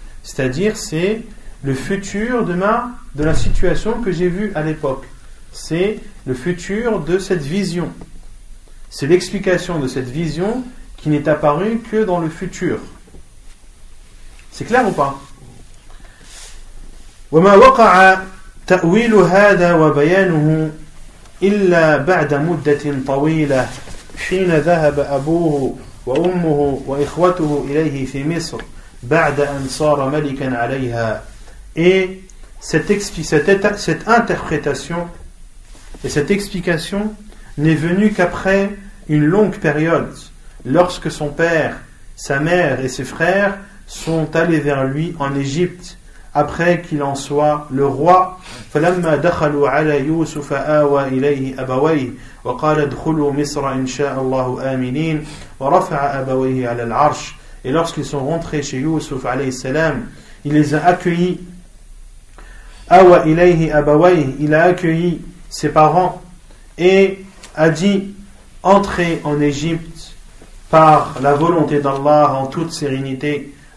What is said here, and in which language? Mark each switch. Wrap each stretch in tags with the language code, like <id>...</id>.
<fr>C'est-à-dire, c'est le futur de la situation que j'ai vue à l'époque. C'est le futur de cette vision. C'est l'explication de cette vision qui n'est apparue que dans le futur. C'est clair ou pas ?</fr> <ar>وما وقع تأويل هذا وبيانه إلا بعد مدة طويلة حين ذهب أبوه وأمه وإخوته إليه في مصر بعد أن صار ملكا عليها.</ar> <fr>Et cette interprétation et cette explication n'est venue qu'après une longue période, lorsque son père, sa mère et ses frères sont allés vers lui en Égypte, après qu'il en soit le roi.</fr> <ar>فلما دخلوا على يوسف آوى إليه أبويه وقال ادخلوا مصر إن شاء الله آمنين ورفع أبويه على العرش.</ar> <fr>Et lorsqu'ils sont rentrés chez Youssouf alayhi salam, il les a accueillis.</fr> <ar>آوى إليه أبويه,</ar> <fr>il a accueilli ses parents et a dit, entrez en Égypte par la volonté d'Allah en toute sérénité.</fr>